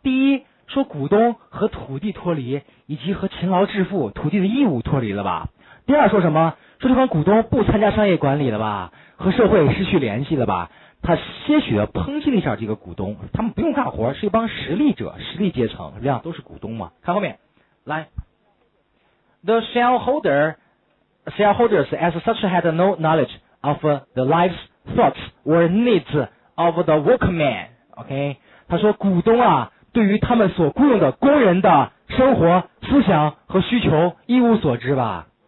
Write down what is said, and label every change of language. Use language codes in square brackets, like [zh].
[zh] 第一，说股东和土地脱离，以及和勤劳致富、土地的义务脱离了吧。第二说什么？说这帮股东不参加商业管理了吧，和社会失去联系了吧。他些许的抨击了一下这个股东，他们不用干活，是一帮实力者、实力阶层，这样都是股东嘛。看后面，来 [en] The shareholders as such had no knowledge of the life's thoughts or needs of the workman。 [zh] OK， 他说股东啊对于他们所雇佣的工人的生活、思想和需求一无所知吧。